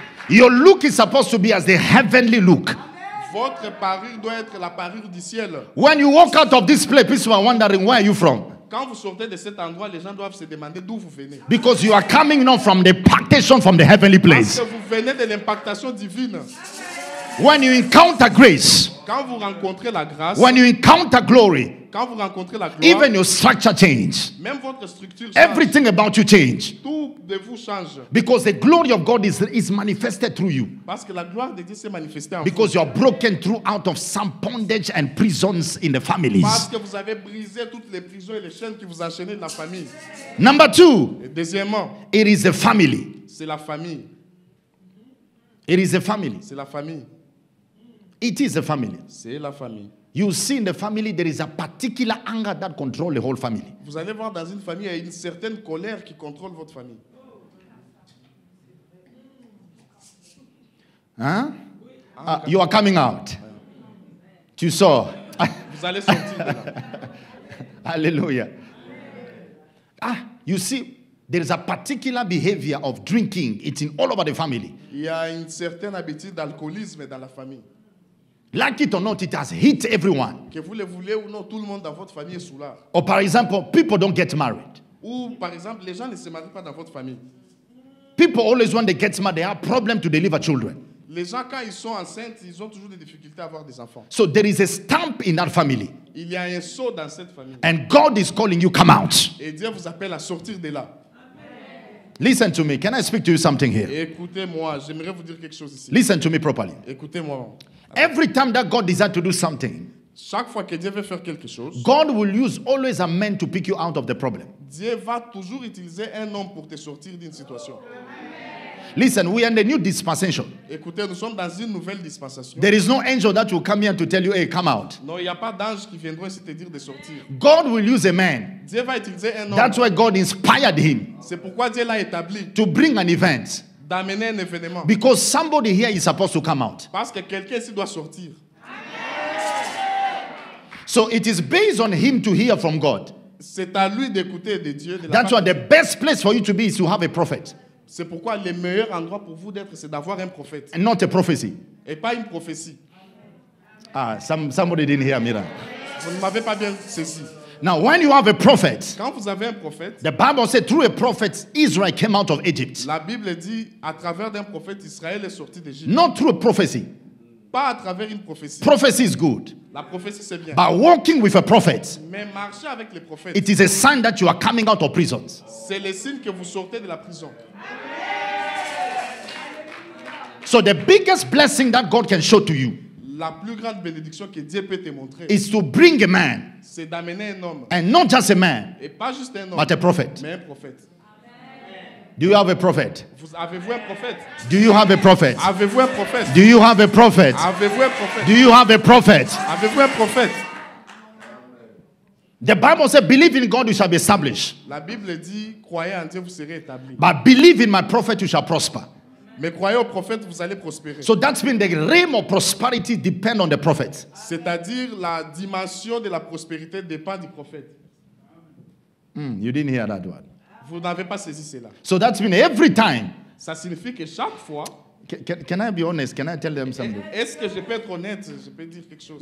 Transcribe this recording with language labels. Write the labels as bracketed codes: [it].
[en] Your look is supposed to be as the heavenly look. [fr] Votre parure doit être la parure du ciel. [en] When you walk out of this place, people are wondering where are you from. [fr] Quand vous sortez de cet endroit, les gens doivent se demander d'où vous venez. [en] Because you are coming not from the impartation from the heavenly place. [fr] Parce que vous venez de l'impartation divine. [en] When you encounter grace. [fr] Quand vous rencontrez la grâce. [en] When you encounter glory. [fr] Quand vous rencontrez la gloire, [en] even your structure change. [fr] Même votre structure [en] everything change. About you change. [fr] Tout de vous change. [en] Because the glory of God is manifested through you. [fr] Parce que la gloire de Dieu s'est manifestée en [en] because You are broken through out of some bondage and prisons in the families. [fr] Parce que vous avez brisé toutes les prisons et les chaînes qui vous enchaînaient dans la famille. [en] Number two. [fr] Et deuxièmement. [en] It is the family. [fr] C'est la famille. [en] It is the family. [fr] C'est la famille. [en] It is the family. [fr] C'est la famille. [en] You see in the family there is a particular anger that controls the whole family. [fr] Vous allez voir dans une famille il y a une certaine colère qui contrôle votre famille. [en] Hein? You are coming out. [fr] Ouais. Tu sors. Vous allez sortir de là. Alléluia. [en] Ah, you see there is a particular behavior of drinking. It's in all over the family. [fr] Il y a une certaine habitude d'alcoolisme dans la famille. [en] Like it or not, it has hit everyone. [fr] Que vous le voulez ou non, tout le monde dans votre famille est sous là. [en] Or [fr] par exemple, [en] people don't get married. [fr] Ou par exemple, les gens ne se marient pas dans votre famille. [en] People always when they get married, they have problem to deliver children. [fr] Les gens quand ils sont enceintes, ils ont toujours des difficultés à avoir des enfants. [en] So there is a stamp in that family. [fr] Il y a un sceau dans cette famille. [en] And God is calling you, come out. [fr] Et Dieu vous appelle à sortir de là. [en] Listen to me. Can I speak to you something here? [fr] Écoutez-moi, j'aimerais vous dire quelque chose ici. [en] Listen to me properly. [fr] Écoutez-moi. [en] Every time that God desires to do something, [fr] chaque fois que Dieu veut faire quelque chose, [en] God will use always a man to pick you out of the problem. [fr] Dieu va toujours utiliser un homme pour te sortir d'une situation. [en] Listen, we are in a new dispensation. [fr] Écoutez, nous sommes dans une nouvelle dispensation. [en] There is no angel that will come here to tell you, hey, come out. [fr] Non, il n'y a pas d'ange qui viendra ici te dire de sortir. [en] God will use a man. [fr] Dieu va utiliser un homme. [en] That's why God inspired him. [fr] C'est pourquoi Dieu l'a établi. [en] To bring an event. [fr] D'amener un événement. [en] Because somebody here is supposed to come out. [fr] Parce que quelqu'un ici doit sortir. [en] So it is based on him to hear from God. [fr] C'est à lui d'écouter de Dieu. De [en] that's why the best place for you to be is to have a prophet. [fr] C'est pourquoi le meilleur endroit pour vous d'être, c'est d'avoir un prophète. [en] And not a prophecy. [fr] Et pas une prophétie. [en] Ah, somebody didn't hear me. [fr] Vous ne m'avez pas bien ceci. [en] Now, when you have a prophet, [fr] quand vous avez un prophète, [en] the Bible says through a prophet, Israel came out of Egypt. [fr] La Bible dit, à travers d'un prophète, Israël est sorti d'Égypte. [en] Not through a prophecy. [fr] Pas à travers une prophétie. [en] Prophecy is good. [fr] La prophétie, c'est bien. [en] But walking with a prophet, [fr] mais marcher avec les prophètes, [en] it is a sign that you are coming out of prisons. [fr] C'est le signe que vous sortez de la prison. [en] So the biggest blessing that God can show to you, [fr] la plus grande bénédiction que Dieu peut te montrer, [en] is to bring a man. [fr] C'est d'amener un homme. [en] And not just a man. [fr] Et pas juste un homme. [en] But a prophet. [fr] Mais un prophète. [en] Do you have a prophet? [fr] Vous avez-vous un prophète? [en] Do you have a prophet? [fr] Avez-vous un prophète? [en] Do you have a prophet? [fr] Avez-vous un prophète? [en] Do you have a prophet? [fr] Avez-vous un prophète? [en] The Bible says, believe in God, you shall be established. [fr] La Bible dit, croyez en Dieu, vous serez établi. [en] But believe in my prophet, you shall prosper. [fr] Mais croyez au prophète, vous allez prospérer. [en] So that means the realm of prosperity depends on the prophet. [fr] C'est-à-dire la dimension de la prospérité dépend du prophète. [en] You didn't hear that one. [fr] Vous n'avez pas saisi cela. [en] So that means every time. [fr] Ça signifie que chaque fois. [en] Can I be honest? Can I tell them something? [fr] Est-ce que je peux être honnête? Je peux dire quelque chose.